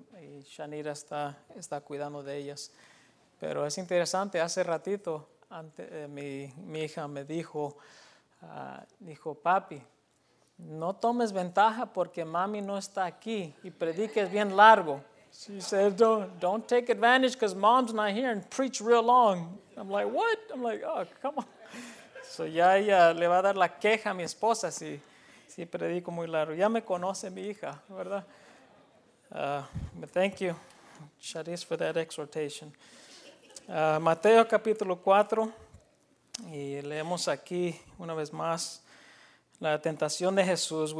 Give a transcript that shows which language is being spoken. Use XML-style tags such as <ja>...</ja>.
<es>Y Shanira está cuidando de ellas. Pero es interesante, hace ratito mi hija me dijo, dijo, papi, no tomes ventaja porque mami no está aquí y prediques bien largo.</es> <en>She said, don't take advantage because mom's not here and preach real long. I'm like, what? I'm like, oh, come on.</en> <es>So ya ella le va a dar la queja a mi esposa si predico muy largo. Ya me conoce mi hija, ¿verdad? But thank you, Charis, for that exhortation. Mateo capítulo 4, y leemos aquí una vez más la tentación de Jesús.</es>